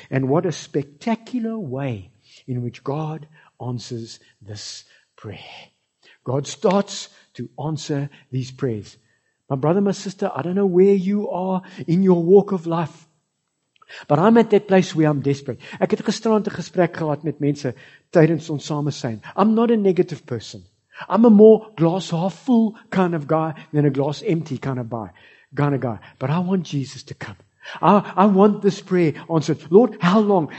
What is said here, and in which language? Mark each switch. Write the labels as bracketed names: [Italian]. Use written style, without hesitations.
[English] And what a spectacular way in which God answers this prayer. God starts to answer these prayers. My brother, my sister, I don't know where you are in your walk of life, but I'm at that place where I'm desperate. [Afrikaans] Ek het gisterand 'n gesprek gehad met mense tydens ons samesyn. [English] I'm not a negative person. I'm a more glass half full kind of guy than a glass empty kind of guy. But I want Jesus to come. I want this prayer answered. Lord, how long?